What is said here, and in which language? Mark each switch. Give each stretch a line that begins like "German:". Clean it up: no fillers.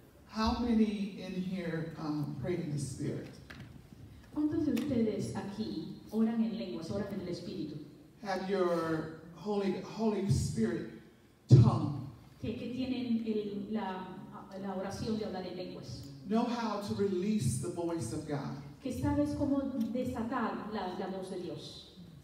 English: How many in here pray in the Spirit?
Spanish: ¿Cuántos de ustedes aquí oran en lenguas, oran en el Espíritu?
English: Have your Holy Spirit tongue.
Spanish: Que tienen la oración de hablar en lenguas.
English: Know how to release the voice of God.
Spanish: Que sabes cómo desatar la voz de Dios.